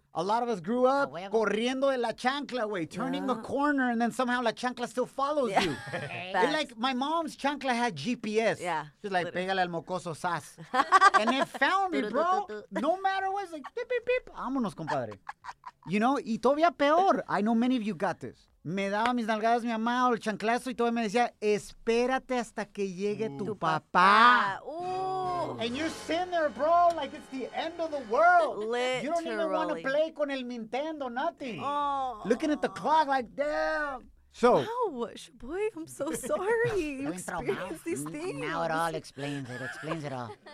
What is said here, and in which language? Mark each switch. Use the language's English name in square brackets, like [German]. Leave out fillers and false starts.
[English] A lot of us grew up [Spanish] corriendo de la chancla, güey, [English] turning the corner, and then somehow la chancla still follows you. Okay. And like, my mom's chancla had GPS. Yeah. She's like, literally, [Spanish] pégale al mocoso sas. [English] And it found me, bro. No matter what, it's like, beep, beep, beep. [Spanish] Vámonos, compadre. [English] You know, [Spanish] y todavía peor. [English] I know many of you got this. [Spanish] Me daba mis nalgadas, mi mamá, o el chanclazo, y todavía me decía, espérate hasta que llegue tu papá. Ooh. [English] And you're sitting there, bro, like it's the end of the world. Literally. You don't even want to play [Spanish] con el [English] Nintendo, nothing. Oh. Looking at the clock like, damn. So, wow, boy, I'm so sorry. You experienced these things. Now it all explains it. Explains it all.